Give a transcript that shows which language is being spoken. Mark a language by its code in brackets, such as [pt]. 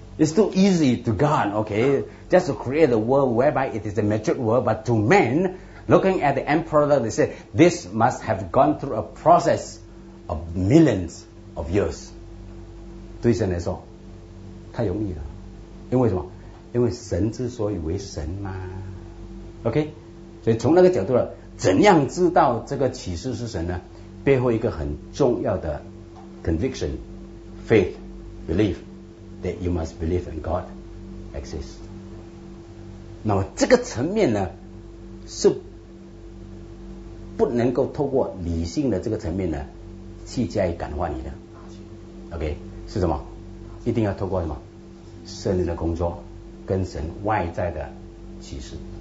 [en] It's too easy to God, okay, just to create a world whereby it is a matured world. But to men, looking at the end product, they say, this must have gone through a process of millions of years. [zh] 对神来说,太容易了。因为什么?因为神之所以为神嘛。 [en] Okay? [zh] 所以从那个角度,怎样知道这个启示是神呢? 背后一个很重要的 [en] conviction, faith, belief, that you must believe in God exists. [zh] 那么这个层面呢,是不能够透过理性的这个层面呢,去加以感化你的。 Okay? 是什么?一定要透过什么? 圣灵的工作,跟神外在的启示。